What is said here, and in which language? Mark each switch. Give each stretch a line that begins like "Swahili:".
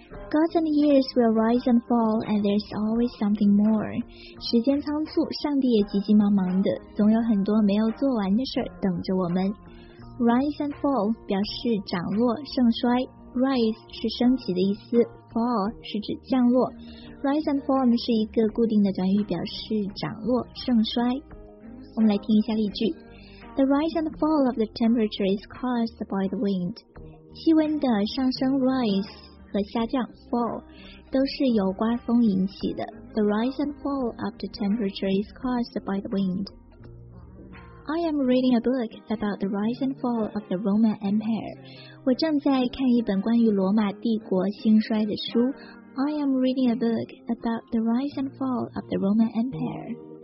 English: Gods and years will rise and fall, and there's always something more.
Chinese: 时间仓促，上帝也急急忙忙的，总有很多没有做完的事儿等着我们。 Rise and fall 表示涨落、盛衰。 Rise 是升起的意思 ，fall 是指降落。 Rise and fall 是一个固定的短语，表示涨落、盛衰。我们来听一下例句
English: ：The rise and fall of the temperature is caused by the wind.
Chinese: 气温的上升 rise。和下降 fall 都是由刮风引起的。
English: The rise and fall of the temperature is caused by the wind. I am reading a book about the rise and fall of the Roman Empire.
Chinese: 我正在看一本关于罗马帝国兴衰的书。
English: I am reading a book about the rise and fall of the Roman Empire.